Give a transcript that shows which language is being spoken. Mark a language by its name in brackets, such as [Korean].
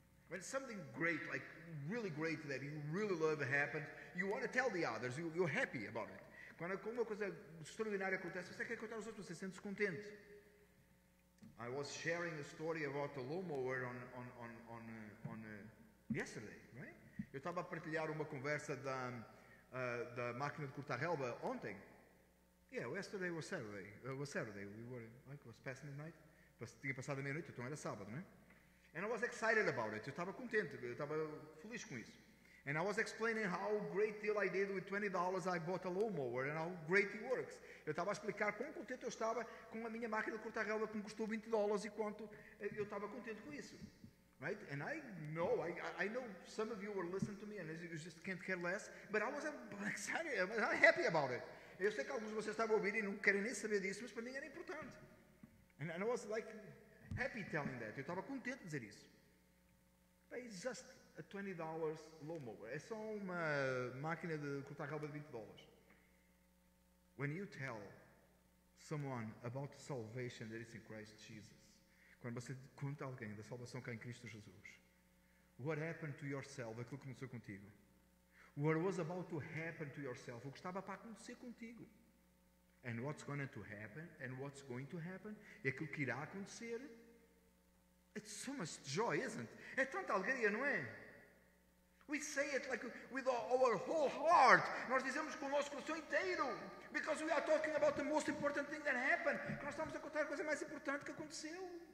[English] When something great, like really great, that you really love happens, you want to tell the others, you're happy about it. [Portuguese] Quando alguma coisa extraordinária acontece, você quer contar aos outros, você sente-se contente. [English] I was sharing a story about a lawnmower on yesterday, right? [Portuguese] Eu estava a partilhar uma conversa da máquina de cortar relva ontem. [English] Yeah, yesterday was Saturday. It was past midnight. [Portuguese] Tinha passado a meia-noite, então era sábado, né? [English] And I was excited about it. [Portuguese] Eu estava contente, eu estava feliz com isso. [English] And I was explaining how great deal I did with $20 I bought a lawnmower and how great it works. [Portuguese] Eu estava a explicar quão contente eu estava com a minha máquina de cortar relva que me custou $20 e quanto eu estava contente com isso. [English] Right? And I know some of you were listening to me and you just can't care less, but I was excited, I'm happy about it. [Portuguese] Eu sei que alguns de vocês estavam a ouvir e não querem nem saber disso, mas para mim era importante. [English] And I was like happy telling that. [Portuguese] Eu estava contente de dizer isso. [English] But it's just a $20 lawnmower. [Portuguese] É só uma máquina de cortar relva de $20. [English] When you tell someone about the salvation that is in Christ Jesus, [Portuguese] quando você conta a alguém da salvação que há em Cristo Jesus, [English] what happened to yourself, [Portuguese] aquilo que aconteceu contigo, [English] what was about to happen to yourself, [Portuguese] o que estava para acontecer contigo, [English] And what's going to happen? And what's going to happen? [Portuguese] E aquilo que irá acontecer? [English] It's so much joy, isn't it? [Portuguese] É tanta alegria, não é? [English] We say it like with our whole heart. [Portuguese] Nós dizemos com o nosso coração inteiro. [English] Because we are talking about the most important thing that happened. [Portuguese] Que nós estamos a contar a coisa mais importante que aconteceu.